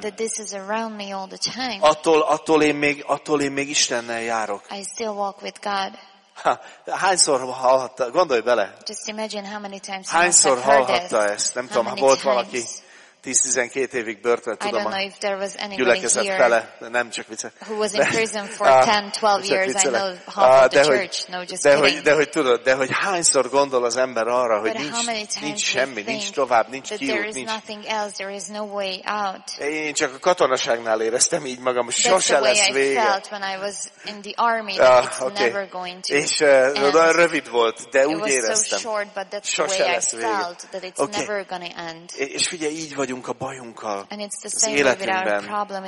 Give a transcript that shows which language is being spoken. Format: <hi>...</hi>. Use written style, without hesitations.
<en>That this is around me all the time.</en> <hu>Attól én még Istennel járok.</hu> <en>I still walk with God.</en> <hu>Ha, hányszor hallhatta, gondolj bele.</hu> <en>Just imagine how many times.</en> <hu>Hányszor hallhatta ezt? Nem tudom, ha volt valaki 10-12 évig börtön, tudom, a gyülekezet fele, nem csak vicce.</hu> <en>Who was in prison for 10-12 years? I know half of the church.</en> <hu>Tudod, de hogy hányszor gondol az ember arra, hogy nincs semmi, nincs tovább, nincs kiút, nincs.</hu> <en>There is no way out.</en> <hu>Én csak a katonaságnál éreztem így magam, hogy sose lesz vége.</hu> <en>That's the way I felt when I was in the army. Okay. Never going to.</en> <hu>És nagyon rövid volt, de úgy éreztem. Sose lesz vége.</hu> <en>Never gonna end.</en> <hu>És figyelj, így vagyunk a bajunkkal az életünkben.</hu>